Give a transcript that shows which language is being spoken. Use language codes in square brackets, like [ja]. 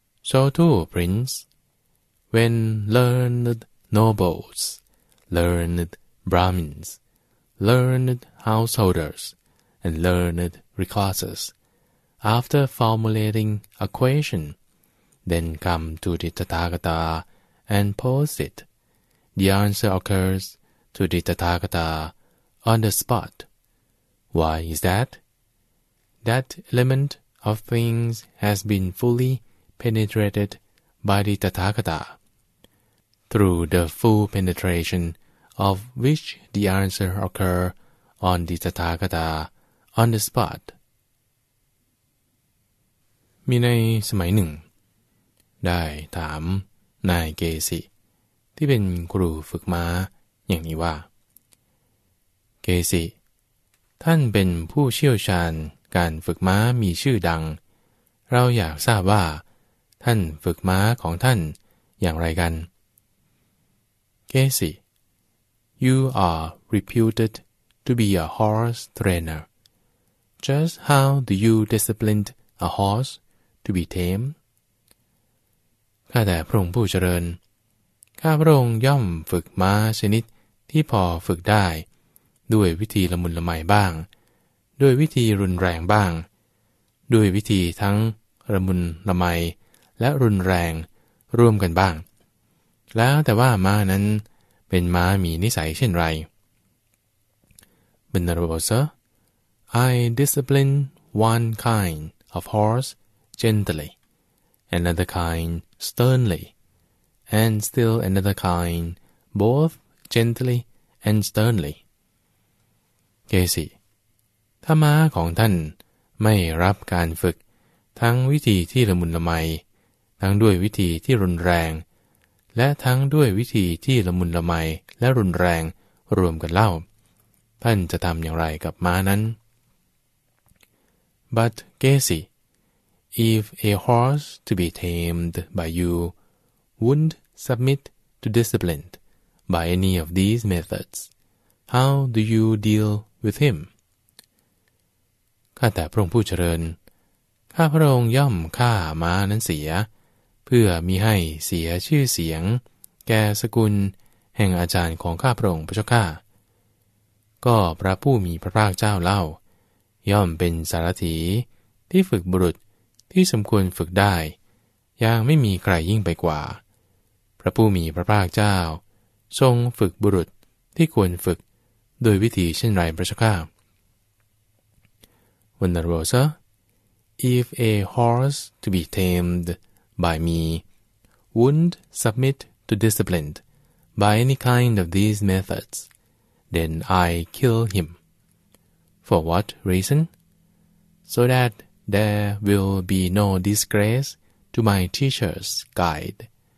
[en] So too, Prince, when learned nobles, learned Brahmins, learned householders, and learned reclusives, after formulating a question, then come to the Tathagata and pose it, the answer occurs to the Tathagata on the spot. Why is that? That element of things has been fully penetrated by the Tathagata, through the full penetration of which the answer occur on the Tathagata on the spot. [th] มีในสมัยหนึ่งได้ถามนายเกสิที่เป็นครูฝึกม้าอย่างนี้ว่าเกสิท่านเป็นผู้เชี่ยวชาญการฝึกม้ามีชื่อดังเราอยากทราบว่าท่านฝึกม้าของท่านอย่างไรกัน [en] เกสิ You are reputed to be a horse trainer. Just how do you discipline a horse to be tame? [th] ข้าแต่พระองค์ผู้เจริญข้าพระองค์ย่อมฝึกม้าชนิดที่พอฝึกได้ด้วยวิธีละมุนละไมบ้างด้วยวิธีรุนแรงบ้างด้วยวิธีทั้งละมุนละไมและรุนแรงร่วมกันบ้างแล้วแต่ว่าม้านั้นเป็นม้ามีนิสัยเช่นไร [en] Venerable sir, I discipline one kind of horse gently, another kind sternly, and still another kind both gently and sternly. [th] Casey, ถ้าม้าของท่านไม่รับการฝึกทั้งวิธีที่ละมุนละไมทั้งด้วยวิธีที่รุนแรงและทั้งด้วยวิธีที่ละมุนละไมและรุนแรงรวมกันเล่าท่านจะทำอย่างไรกับม้านั้น [en] But Gesi, if a horse to be tamed by you wouldn't submit to discipline by any of these methods, how do you deal with him? [th] ข้าแต่พระองค์ผู้เจริญข้าพระองค์ย่อมฆ่าม้านั้นเสียเพื่อมีให้เสียชื่อเสียงแก่สกุลแห่งอาจารย์ของข้าพระองค์พระเจ้าข้าก็พระผู้มีพระภาคเจ้าเล่าย่อมเป็นสารถีที่ฝึกบุรุษที่สมควรฝึกได้ยังไม่มีใครยิ่งไปกว่าพระผู้มีพระภาคเจ้าทรงฝึกบุรุษที่ควรฝึกโดยวิธีเช่นไรพระเจ้าข้า [en] Venerable sir, if a horse to be tamedby me, wouldn't submit to discipline by any kind of these methods, then I kill him. For what reason? So that there will be no disgrace to my teacher's guide.